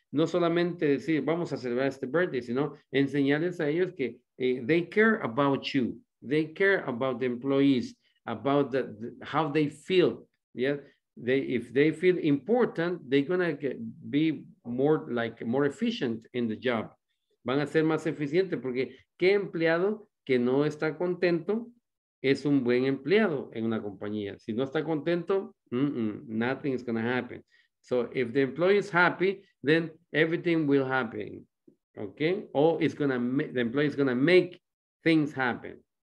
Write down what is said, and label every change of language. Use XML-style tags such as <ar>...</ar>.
<es>No solamente decir, vamos a celebrar este birthday, sino enseñarles a ellos que</es> <en>they care about you. They care about the employees, about how they feel. Yeah, if they feel important, they're gonna be more efficient in the job.</en> <es>Van a ser más eficientes porque qué empleado que no está contento es un buen empleado en una compañía. Si no está contento,</es> <en>nothing is gonna happen. So if the employee is happy, then everything will happen. Okay, or the employee is gonna make things happen.</en>